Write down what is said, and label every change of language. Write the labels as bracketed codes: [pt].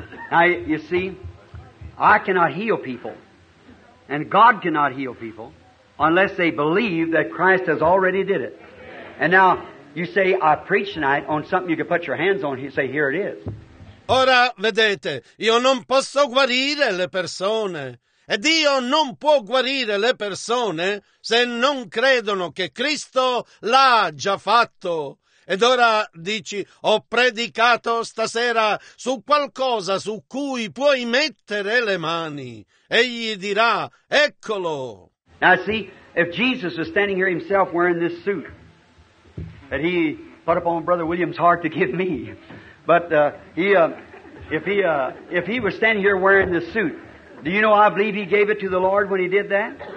[en] Now, you see, I cannot heal people, and God cannot heal people, unless they believe that Christ has already did it. And now, you say, I preach tonight on something you can put your hands on, and say, here it is. [it] Ora, vedete, io non posso guarire le persone. E Dio non può guarire le persone se non credono che Cristo l'ha già fatto. Ed ora dici, ho predicato stasera su qualcosa su cui puoi mettere le mani. Egli dirà, eccolo. [en] Now see, if Jesus was standing here himself wearing this suit that he put upon Brother William's heart to give me, but if he was standing here wearing this suit, do you know I believe he gave it to the Lord when he did that?